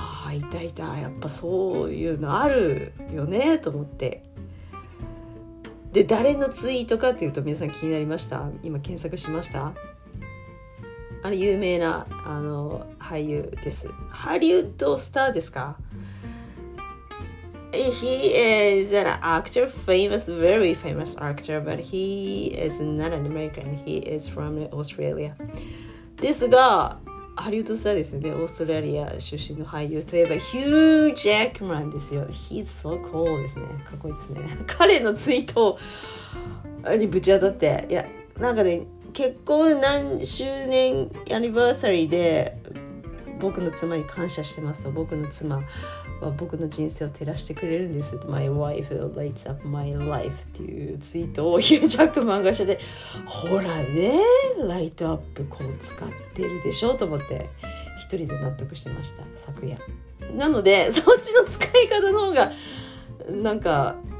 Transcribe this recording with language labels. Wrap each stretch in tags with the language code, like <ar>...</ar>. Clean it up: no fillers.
<ja>いたいた、やっぱそういうのあるよねと思って。で、誰のツイートかというと、皆さん気になりました？今検索しました？有名な俳優です。ハリウッドスターですか？</ja> <en>He is an actor, famous, very famous actor, but he is not an American, he is from Australia.</en> <ja>ですが、ハリウッドスターですよね。オーストラリア出身の俳優といえばヒュー・ジャックマンですよ。</ja> <en>He's so cool</en> <ja>ですね。かっこいいですね。彼のツイートにぶち当たって、いや、なんかね、結婚何周年アニバーサリーで僕の妻に感謝してますと、僕の妻は僕の人生を照らしてくれるんです、</ja> <en>My wife lights up my life</en> <ja>っていうツイートをヒュージャックマンがしてて、ほらね、ライトアップこう使ってるでしょうと思って一人で納得してました昨夜。なので、そっちの使い方の方がなんか</ja>